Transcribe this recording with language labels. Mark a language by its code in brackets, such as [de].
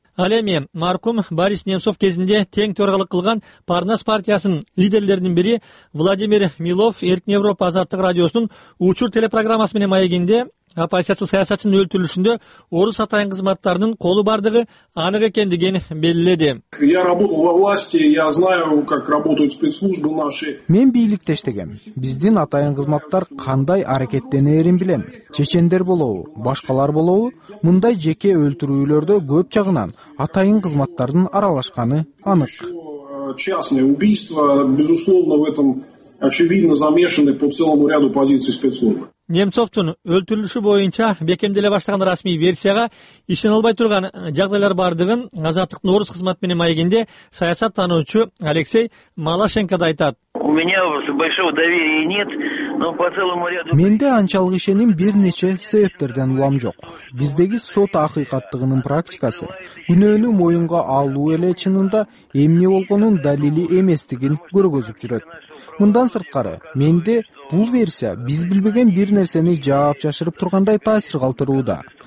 [ky] Ал эми маркум Борис Немцов кезинде тең төрагалык кылган Парнас партиясынын лидерлеринин бири Владимир Милов Эркин Европа Азаттык радиосунун Учур телепрограммасы менен маегинде оппозициячыл саясатчынын өлтүрүлүшүндө орус атайын кызматтарынын колу бардыгы анык экендигин белгиледи. [ru] Я работал во власти, я знаю, как работают спецслужбы наши. [ky] Мен бийликте иштегем. Биздин атайын кызматтар кандай аракеттенерин билем. Чечендер болобу, башкалар болобу, мындай жеке өлтүрүүлөрдө көп жагынан атайын кызматтардын аралашканы анык. [ru] Частные убийства, безусловно, в этом очевидно замешаны по целому ряду позиций спецслужбы. [ky] Немцовдун өлтүрүлүшү боюнча бекемделе баштаган расмий версияга ишенилбей турган жагдайлар бардыгын Азаттыктын орус кызматы менен маегинде саясат таануучу Алексей Малашенко да айтат. [ru] У меня большого доверия нет. [ky] Менде анчалык ишеним бир нече себептерден улам жок. Биздеги сот акыйкаттыгынын практикасы күнөөнү моюнга алуу эле чынында эмне болгонун далили эместигин көргөзүп жүрөт. Мындан сырткары менде бул версия биз билбеген бир нерсени жаап жашырып тургандай таасир калтырууда.